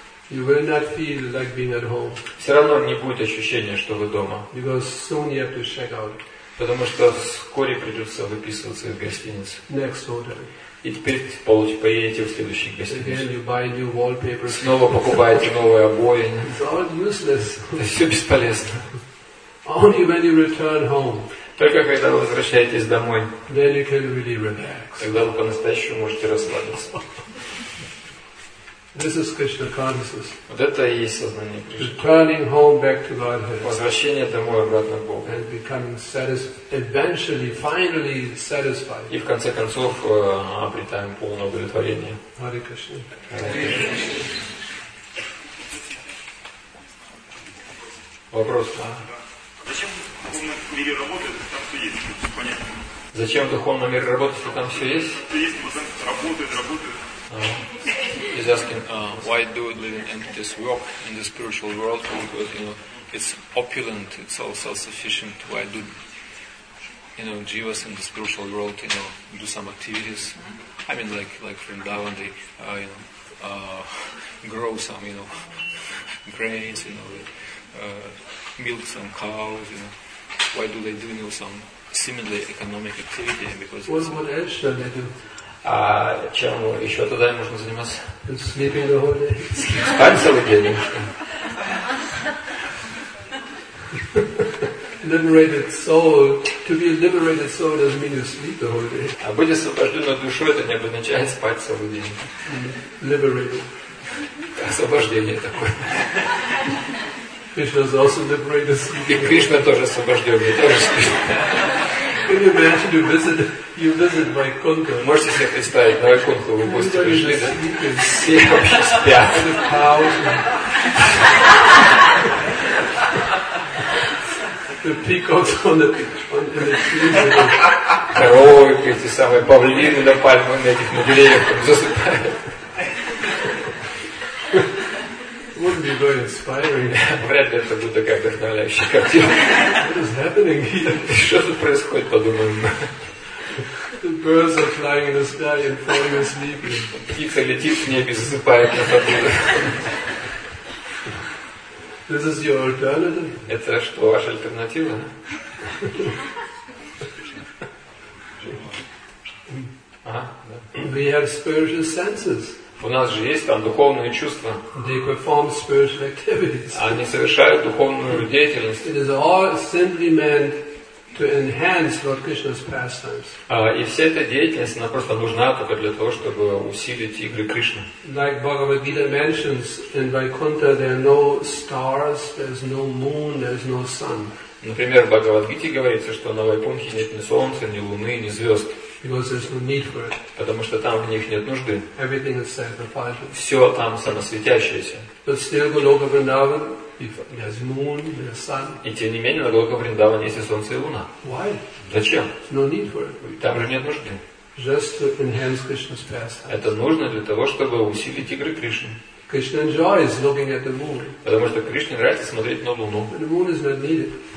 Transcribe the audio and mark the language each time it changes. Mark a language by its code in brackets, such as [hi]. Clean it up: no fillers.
[en] You will not feel like being at home. [ru] Все равно не будет ощущения, что вы дома. [en] Because soon you have to check out. [ru] Потому что вскоре придется выписываться из гостиницы. [en] Next order. [ru] И теперь поедете в следующий гостиницу. [en] Again, you buy new wallpapers. [ru] Снова покупаете новые обои. [en] It's all useless. [ru] Это все бесполезно. [en] Only when you return home. [ru] Только когда вы возвращаетесь домой, [en] then you can really relax. [ru] Тогда вы по-настоящему можете расслабиться. [en] This is Krishna consciousness. [ru] Вот это и есть сознание Кришны. [en] Returning home back to Godhead. [ru] Возвращение домой обратно к Богу. [en] And becoming eventually, finally satisfied. [ru] И в конце концов обретаем полное удовлетворение. [en] Hare Krishna. [ru] Вопрос. А зачем духовный мир работает, там все есть, все понятно. Зачем духовный мир работает, если там все есть? Есть, потом работает. [en] He's asking, why do we live in this world, in the spiritual world, because, you know, it's opulent, it's all self-sufficient, why do, you know, jivas in the spiritual world, you know, do some activities, I mean, like Vrindavan, they, you know, grow some, you know, grains, you know, milk some cows, you know, why do they do, you know, some seemingly economic activity, because... What else should they do? [ru] А чем еще тогда им нужно заниматься? [en] Sleeping the whole day. [ru] Спать целый день. [en] Liberated soul. To be a liberated soul doesn't mean you sleep the whole day. [ru] А быть освобожденной душой это не обозначает спать целый день. [en] Liberated. [ru] Освобождение такое. [en] Krishna is also liberated sleeping. [ru] И Кришна тоже освобожденный, тоже спит. [en] Can you imagine you visit Vaikuntha? [ru] Можете себе представить, на Вайкунху вы гости пришли, да? Все вообще спят. [en] And a thousand. The peacocks on the trees. [ru] Коровы, эти самые павлины на пальмах, на этих деревьях засыпают. [en] Wouldn't be very inspiring. [ru] Вряд ли это будет такая вдохновляющая картина. Что тут происходит, подумаем. [en] The birds are flying in the sky and falling asleep. [ru] Птица летит в небе, засыпает на ходу. [en] This is your alternative? [ru] Это что, ваша альтернатива? [en] We have spiritual senses. [ru] У нас же есть там духовные чувства. [en] They perform spiritual activities. [ru] Они совершают духовную деятельность. [en] It is all simply meant to enhance Lord Krishna's pastimes. [ru] И вся эта деятельность, она просто нужна только для того, чтобы усилить игры Кришны. [en] Like Bhagavad Gita mentions, in Vaikuntha there are no stars, there is no moon, there is no sun. [ru] Например, в Бхагавад-гите говорится, что на Вайкунхе нет ни солнца, ни луны, ни звезд. [en] Because there's no need for it. [ru] Потому что там в них нет нужды. [en] Everything is self-effulgent. [ru] Все там самосветящееся. [en] But still, Goloka Vrindavan, there's moon, there's sun. [ru] И тем не менее, на Голока Вриндаване есть и солнце, и луна. [en] Why? [ru] Зачем? [en] No need for it. [ru] Там же нет нужды. [en] Just to enhance Krishna's pastimes. [ru] Это нужно для того, чтобы усилить игры Кришны. [en] Krishna enjoys looking at the moon. [ru] Потому что Кришне нравится смотреть на Луну. [en] But the moon is not needed.